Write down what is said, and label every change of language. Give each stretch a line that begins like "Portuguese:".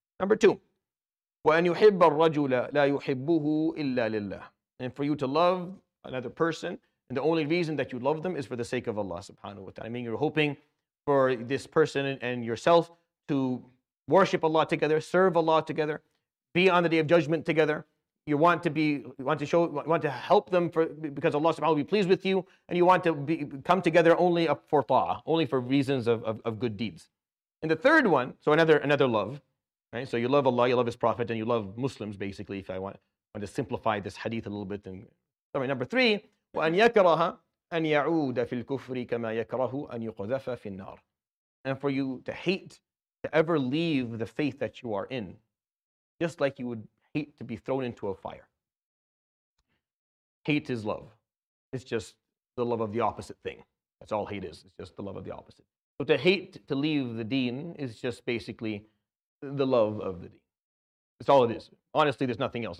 English: Number two,
Arabic: وَأَنْ يُحِبَّ الرَّجُلَ لَا يُحِبُّهُ إِلَّا لِلَّهِ.
English: And for you to love another person, and the only reason that you love them is for the sake of Allah subhanahu wa ta'ala. Meaning you're hoping for this person and yourself to worship Allah together, serve Allah together, be on the Day of Judgment together. You want to be, want to help them because Allah subhanahu wa ta'ala will be pleased with you, and you want to come together only for ta'ah, only for reasons of good deeds. And the third one, so another love, right? So you love Allah, you love His Prophet, and you love Muslims, basically, if I want to simplify this hadith a little bit and Sorry, number three,
Arabic: وَأَنْ يَكْرَهَ أَنْ يَعُودَ فِي الْكُفْرِ كَمَا يَكْرَهُ أَنْ يُقْذَفَ فِي النَّارِ.
English: And for you to hate to ever leave the faith that you are in, just like you would hate to be thrown into a fire. Hate is love. It's just the love of the opposite thing. That's all hate is. It's just the love of the opposite. So to hate to leave the deen is just basically the love of the deen. That's all it is. Honestly, there's nothing else.